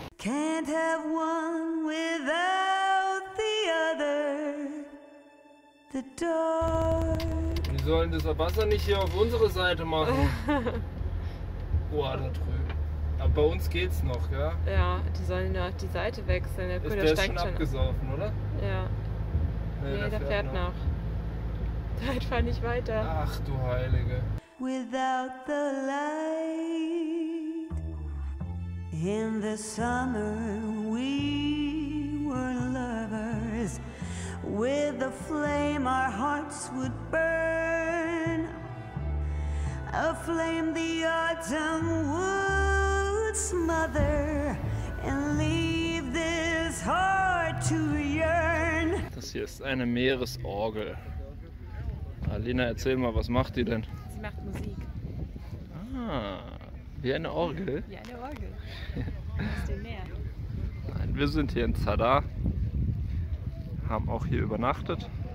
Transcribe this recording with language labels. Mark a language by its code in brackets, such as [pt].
[en] Can't have one without the other. The dark. [de] Wir sollen das Wasser nicht hier auf unsere Seite machen. Boah, da drüben. Aber bei uns geht's noch, ja? Ja, die sollen nur auf die Seite wechseln. Der Kuder steigt schon abgesoffen, oder? Ja. Nee, der fährt noch. Da fahr nicht weiter. Ach du Heilige. [en] Without the light in the summer we were lovers. with the flame our hearts would burn, a flame the autumn would smother and leave this heart to yearn. [de] Das hier ist eine Meeresorgel. Alina, erzähl mal, was macht die denn? Sie macht Musik. Ah, wie eine Orgel? Wie eine Orgel. Aus dem Meer. Nein, wir sind hier in Zadar. Haben auch hier übernachtet.